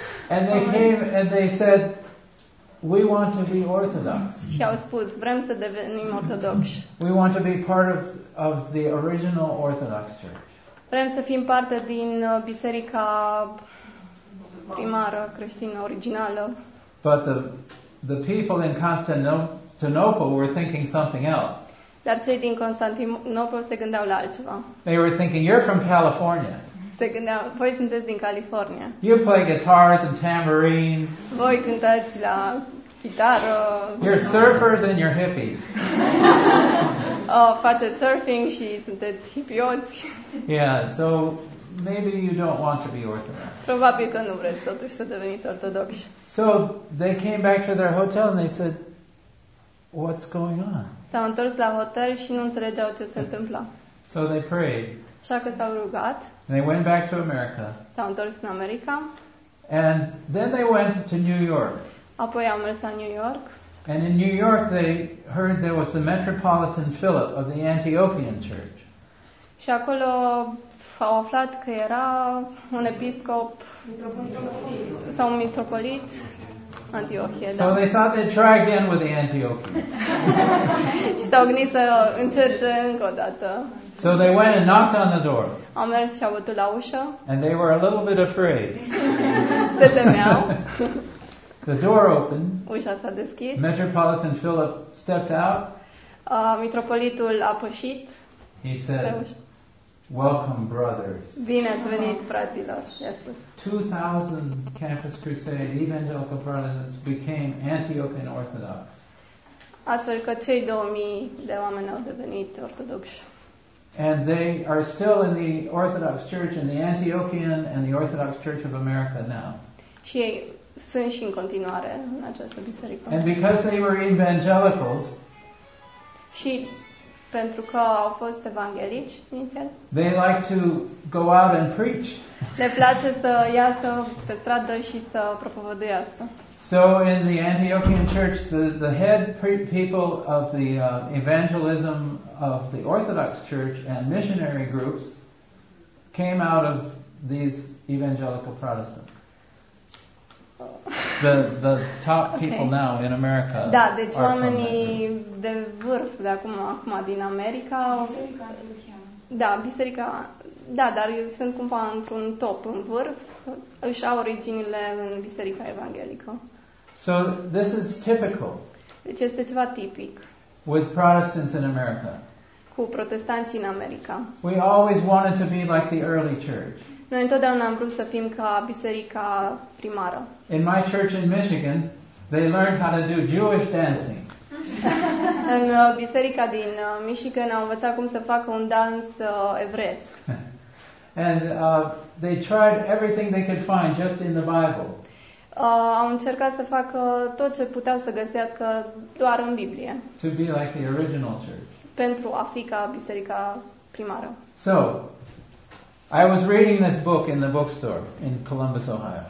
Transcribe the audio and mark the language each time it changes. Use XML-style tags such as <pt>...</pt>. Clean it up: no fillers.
<en>And they came and they said, we want to be Orthodox.</en> <ro>Și au spus, vrem să devenim ortodoxi.</ro> <en>We want to be part of the original Orthodox Church.</en> <ro>Vrem să fim parte din biserica primară creștină originală.</ro> <en>But the people in Constantinople were thinking something else.</en> <ro>Dar cei din Constantinopol se gândeau la altceva.</ro> <en>They were thinking, you're from California.</en> <ro>Se gândeau, voi sunteți din California.</ro> <en>You play guitars and tambourine.</en> <ro>Voi cântați la chitară.</ro> <en>You're surfers and you're hippies.</en> <ro>Faceți surfing și sunteți hippioți.</ro> <en>Yeah, so maybe you don't want to be Orthodox.</en> <ro>Probabil că nu vreți totuși să deveniți ortodoxi.</ro> <en>So they came back to their hotel and they said, what's going on?</en> <ro>S-au întors la hotel și nu înțelegeau ce se întâmpla.</ro> <en>So they prayed.</en> <ro>Așa că s-au rugat.</ro> <en>And they went back to America.</en> <ro>S-au întors în America.</ro> <en>And then they went to New York.</en> <ro>Apoi am mers la New York.</ro> <en>And in New York they heard there was the Metropolitan Philip of the Antiochian Church.</en> <ro>Și acolo au aflat că era un episcop sau un mitropolit Antiochie.</ro> <en>So they thought they'd try again with the Antiochians.</en> <ro>Și s-au gândit să încerce încă o dată.</ro> <en>So they went and knocked on the door.</en> <ro>Au mers și au bătut la ușă.</ro> <en>And they were a little bit afraid.</en> <ro>Se temeau.</ro> <en>The door opened.</en> <ro>Ușa s-a deschis.</ro> <en>Metropolitan Philip stepped out.</en> <ro>Mitropolitul a pășit.</ro> <en>He said, "Welcome, brothers."</en> <ro>Bine ați venit, fraților, i-a spus.</ro> <en>2,000 Campus Crusade evangelical Protestants became Antiochian Orthodox.</en> <ro>Astfel că cei 2,000 de oameni au devenit ortodoxi.</ro> <en>And they are still in the Orthodox Church in the Antiochian and the Orthodox Church of America now.</en> <ro>Și ei sunt și în continuare în această biserică.</ro> <en>And because they were evangelicals.</en> <ro>Și pentru că au fost evanghelici inițial.</ro> <en>They like to go out and preach.</en> <ro>Le place să iasă pe stradă și să propovăduiască.</ro> <en>So in the Antiochian Church, the head people of the evangelism of the Orthodox Church and missionary groups came out of these evangelical Protestants. The top people now in America.</en> <ro>Da, deci oamenii de vârf de acum din America. Da, biserica. Da, dar eu sunt cumva într-un top, în vârf. Își au originile în biserica evanghelică.</ro> <en>So this is typical.</en> <ro>Deci este ceva tipic.</ro> <en>With Protestants in America.</en> <ro>Cu protestanții în America.</ro> <en>We always wanted to be like the early church.</en> <ro>Noi întotdeauna am vrut să fim ca biserica primară.</ro> <en>In my church in Michigan, they learned how to do Jewish dancing.</en> <ro>În biserica din Michigan au învățat cum să facă un dans evresc.</ro> <en>And they tried everything they could find just in the Bible.</en> <ro>Au încercat să facă tot ce puteau să găsească doar în Biblie.</ro> <en>To be like the original church.</en> <ro>Pentru a fi ca biserica primară.</ro> <en>So, I was reading this book in the bookstore in Columbus, Ohio.</en>